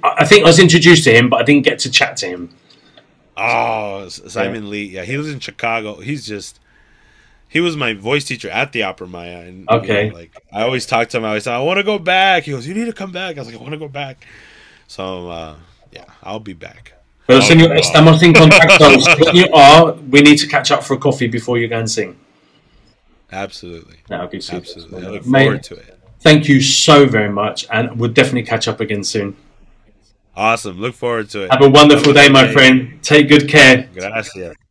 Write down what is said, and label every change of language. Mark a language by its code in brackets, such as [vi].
[en] I think I was introduced to him, but I didn't get to chat to him. Simon Lee. Yeah, he lives in Chicago. He was my voice teacher at the Opera Maya. And, okay. You know, like, I always talked to him. I always said, I want to go back. He goes, you need to come back. I was like, I want to go back. So, yeah, I'll be back. [es] Well, señor, estamos en contacto. [en] When you are, we need to catch up for a coffee before you go and sing. Absolutely. That'll be super. Absolutely. I look forward to it. Thank you so very much, and we'll definitely catch up again soon. Awesome. Look forward to it. Have a wonderful day, my friend. Take good care. [es] Gracias.